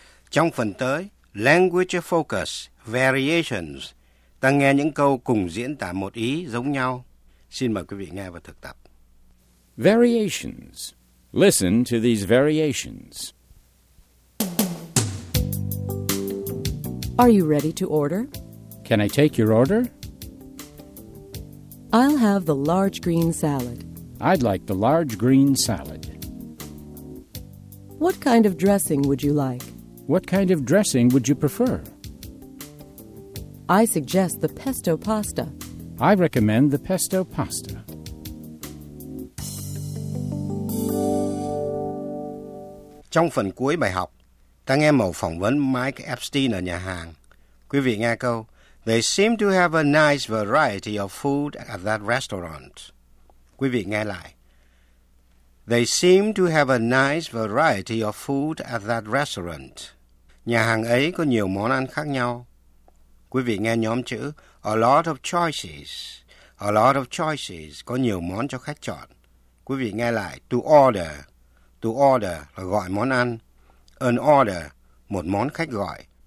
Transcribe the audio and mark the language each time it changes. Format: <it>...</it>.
<vi>Trong phần tới, Language Focus, Variations, ta nghe những câu cùng diễn tả một ý giống nhau. Xin mời quý vị nghe và thực tập.</vi> <en>Variations. Listen to these variations. Are you ready to order? Can I take your order? I'll have the large green salad. I'd like the large green salad. What kind of dressing would you like? What kind of dressing would you prefer? I suggest the pesto pasta. I recommend the pesto pasta.</en> <vi>Trong phần cuối bài học, ta nghe một phỏng vấn Mike Epstein ở nhà hàng. Quý vị nghe câu,</vi> <en>They seem to have a nice variety of food at that restaurant.</en> <vi>Quý vị nghe lại.</vi> <en>They seem to have a nice variety of food at that restaurant.</en> <vi>Nhà hàng ấy có nhiều món ăn khác nhau. Quý vị nghe nhóm chữ,</vi> <en>A lot of choices. A lot of choices,</en> <vi>có nhiều món cho khách chọn. Quý vị nghe lại, to order. To order là gọi món ăn. An order, một món khách gọi.</vi>